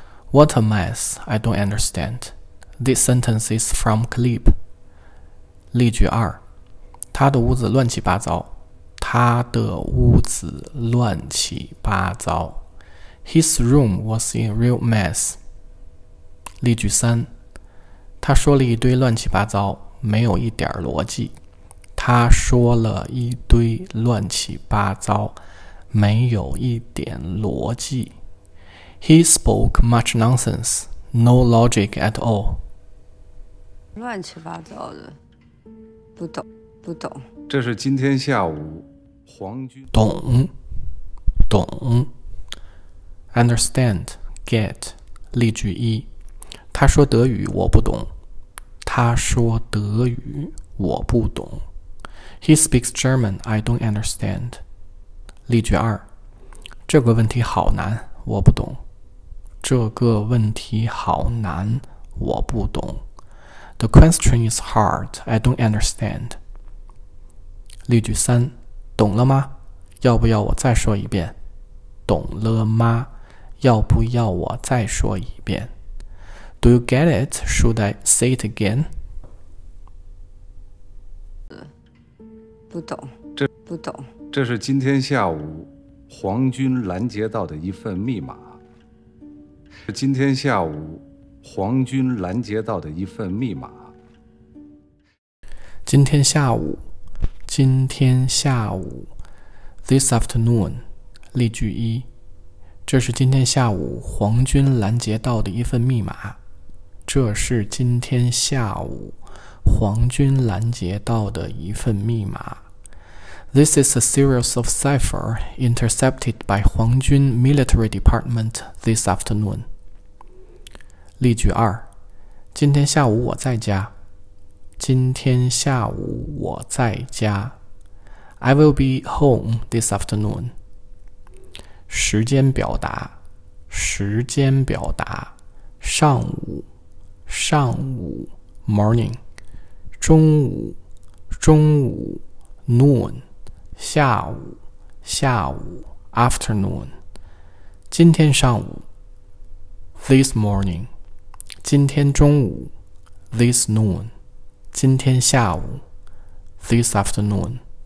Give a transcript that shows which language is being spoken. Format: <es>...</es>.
<en>What a mess, I don't understand. This sentence is from clip.</en> <zh>例句二，他的屋子乱七八糟。他的屋子乱七八糟。</zh> <en>His room was in real mess.</en> <zh>例句三，他说了一堆乱七八糟，没有一点逻辑。他说了一堆乱七八糟，没有一点逻辑。</zh> <en>He spoke much nonsense, no logic at all.</en> <zh>乱七八糟的，不懂，不懂。这是今天下午皇军。懂，懂。</zh> <en>Understand, get.</en> <zh>例句一，他说德语我不懂。他说德语我不懂。</zh> <en>He speaks German, I don't understand.</en> <zh>例句二，这个问题好难，我不懂。这个问题好难，我不懂。</zh> <en>The question is hard, I don't understand.</en> <zh>例句三，懂了吗？要不要我再说一遍？懂了吗？要不要我再说一遍？</zh> <en>Do you get it? Should I say it again?</en> <zh>不懂，这不懂。这是今天下午皇军拦截到的一份密码。是今天下午皇军拦截到的一份密码。今天下午，今天下午。</zh> <en>This afternoon.</en> <zh>例句一，这是今天下午皇军拦截到的一份密码。这是今天下午皇军拦截到的一份密码。</zh> <en>This is a series of cipher intercepted by 皇军 military department this afternoon.</en> <zh>例句二，今天下午我在家。今天下午我在家。</zh> <en>I will be home this afternoon.</en> <zh>时间表达，时间表达，上午。</zh> <en>上午 morning, 中午中午 noon, 下午下午 afternoon, 今天上午 this morning, 今天中午 this noon, 今天下午 this afternoon.</en>